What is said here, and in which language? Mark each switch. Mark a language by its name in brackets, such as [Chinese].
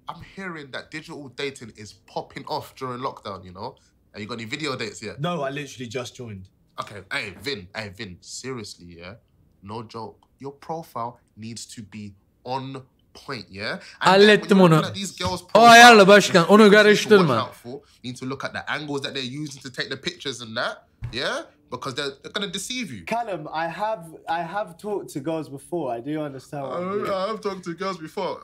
[English] I'm hearing that digital dating is popping off during lockdown. You know, have you got any video dates yet? No, I literally just joined. Okay, hey Vin, seriously, yeah, no joke. Your profile needs to be on. [Turkish] Hallettim onu. O ayarlı başkan, onu karıştırma. [English] Need to look at the angles that they're using to take the pictures and that, yeah, because they're gonna deceive you. Callum, I have talked to girls before. I do understand. I have talked to girls before.